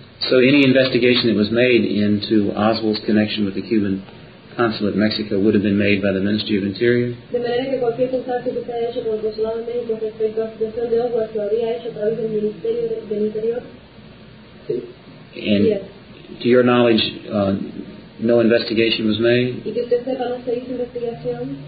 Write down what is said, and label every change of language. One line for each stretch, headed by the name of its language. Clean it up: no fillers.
English: So any investigation that was made into Oswald's connection with the Cuban consulate in Mexico would have been made by the Ministry of Interior?
Spanish: De manera que cualquier contacto que se haya hecho con el consulado de México respecto a la situación de Oswald se habría hecho a través del Ministerio del Interior?
English: Sí. To your knowledge, no investigation was made?
Spanish: ¿Y que usted sepa, no se hizo investigación?